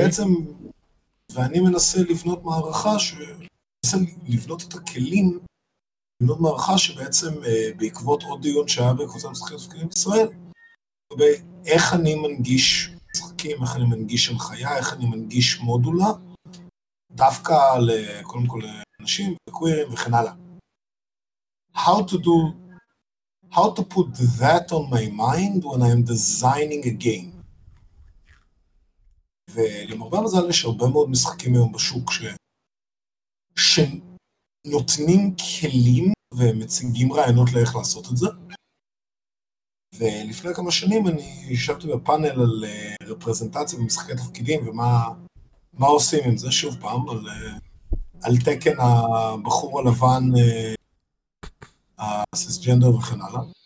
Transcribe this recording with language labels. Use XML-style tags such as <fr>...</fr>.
<he>ובעצם, ואני מנסה לבנות מערכה, לבנות את הכלים, לבנות מערכה שבעצם בעקבות עוד דיון שהיה בקבוצה משחקים תפקידים בישראל, איך אני מנגיש משחקים, איך אני מנגיש הנחיה, איך אני מנגיש מודולה, דווקא קודם כל לאנשים, לקווירים וכן הלאה.</he> <en>How to put that on my mind when I'm designing a game.</en> <he>ולמרבה מזל יש הרבה מאוד משחקים היום בשוק שנותנים כלים ומציגים רעיונות לאיך לעשות את זה. ולפני כמה שנים אני ישבתי בפאנל על רפרזנטציה במשחקי תפקידים ומה עושים עם זה שוב פעם, על תקן הבחור הלבן, הסיסג'נדר וכן הלאה.</he>